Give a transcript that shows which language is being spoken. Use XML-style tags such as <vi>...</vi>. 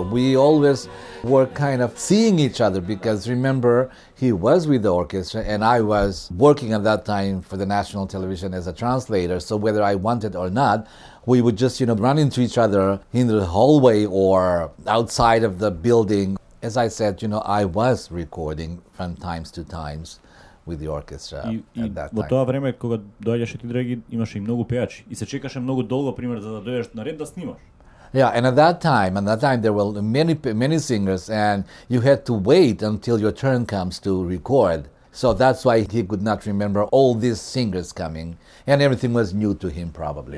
<en>We always were kind of seeing each other because, remember, he was with the orchestra and I was working at that time for the national television as a translator. So whether I wanted or not, we would just, you know, run into each other in the hallway or outside of the building. As I said, you know, I was recording from times to times with the orchestra at that time.</en> <mk>Во тоа време кога доаѓаше ти драги, имаше и многу пејачи и се чекаше многу долго пример за да доаѓаш на ред да снимаш.</mk> <en>Yeah, and at that time there were many singers and you had to wait until your turn comes to record. So that's why he could not remember all these singers coming and everything was new to him probably.</en>